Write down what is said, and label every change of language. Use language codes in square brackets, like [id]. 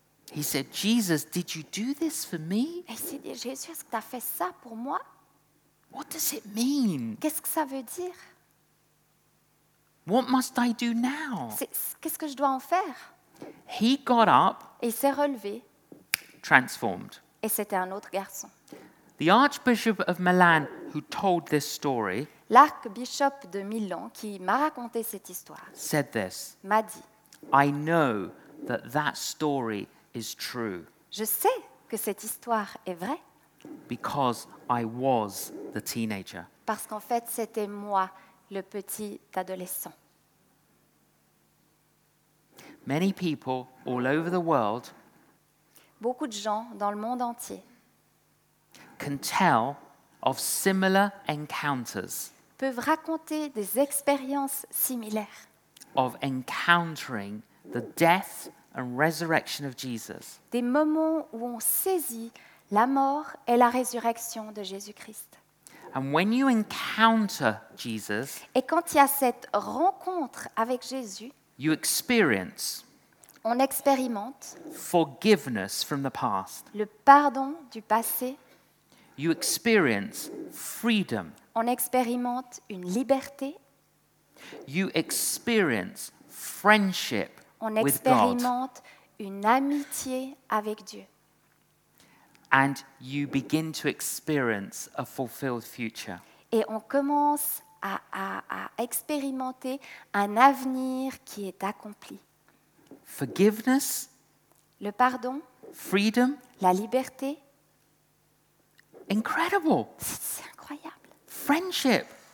[en] He said, "Jesus, did you do this for me?" [fr] Et il s'est dit, Jésus, est-ce que tu as fait ça pour moi? [en] What does it mean? [fr] Qu'est-ce que ça veut dire? [en] What must I do now? [fr] Qu'est-ce que je dois en faire? [en] He got up. [fr] Et il s'est relevé. [en] Transformed. [fr] Et c'était un autre garçon. [en] The Archbishop of Milan who told this story. [fr] L'archevêque de Milan qui m'a raconté cette histoire. [en] Said this. [fr] M'a dit. [en] I know that that story is true. [fr] Je sais que cette histoire est vraie. [en] Because I was the teenager. [fr] Parce qu'en fait, c'était moi, le petit adolescent. [en] Many people all over the world. [fr] Beaucoup de gens dans le monde entier [en] can tell of similar encounters [fr] peuvent raconter des expériences similaires [en] of encountering the death and resurrection of Jesus. [fr] Des moments où on saisit la mort et la résurrection de Jésus-Christ. [en] And when you encounter Jesus, [fr] et quand il y a cette rencontre avec Jésus, [en] you experience [fr] on expérimente [en] forgiveness from the past. [fr] Le pardon du passé. [en] You experience freedom. [fr] On expérimente une liberté. [en] You experience friendship [fr] on expérimente une amitié avec Dieu. [en] And you begin to experience a fulfilled future. [fr] Et on commence à expérimenter un avenir qui est accompli. [en] Forgiveness, [fr] le pardon, [en] freedom, [fr] la liberté. [en] Incredible. [fr] C'est incroyable. [en] Friendship.